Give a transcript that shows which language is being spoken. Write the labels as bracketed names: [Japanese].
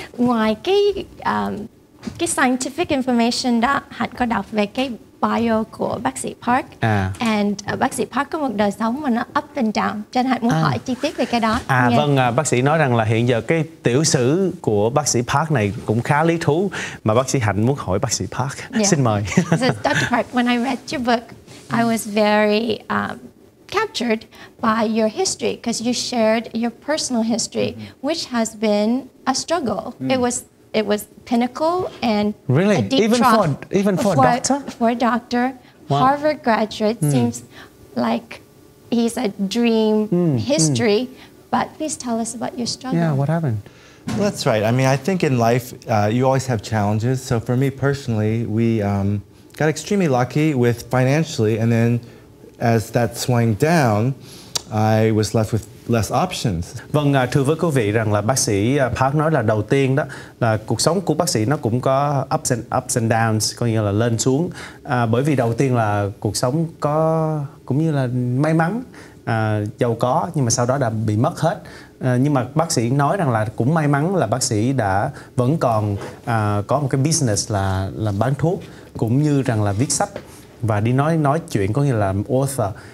[Vietnamese] Ngoài cái [English] scientific information [Vietnamese] đó, Hạnh có đọc về cái bio của bác sĩ Park. [English] And [Vietnamese] bác sĩ Park có một đời sống mà nó [English] up and down. [Vietnamese] Cho nên Hạnh muốn hỏi chi tiết về cái đó. Vâng, bác sĩ nói rằng là hiện giờ cái tiểu sử của bác sĩ Park này cũng khá lý thú. Mà bác sĩ Hạnh muốn hỏi bác sĩ Park. Yeah. Xin mời. [English] So, Dr. Park, when I read your book, I was very captured by your history because you shared your personal history, which has been a struggle. It was pinnacle and really? A deep even trough. For a doctor, wow. Harvard graduate seems like he's a dream history. Mm. But please tell us about your struggle. Yeah, what happened? Well, that's right. I mean, I think in life you always have challenges. So for me personally, we got extremely lucky with financially, and then as that swung down, I was left with less options. [Vietnamese] Vâng, thưa với quý vị rằng là bác sĩ Park nói là đầu tiên đó là cuộc sống của bác sĩ nó cũng có [English] ups and downs, [Vietnamese] có nghĩa là lên xuống. Bởi vì đầu tiên là cuộc sống có cũng như là may mắn, giàu có, nhưng mà sau đó đã bị mất hết. Nhưng mà bác sĩ nói rằng là cũng may mắn là bác sĩ đã vẫn còn có một cái business là bán thuốc, cũng như rằng là viết sách và đi nói chuyện, có nghĩa là author.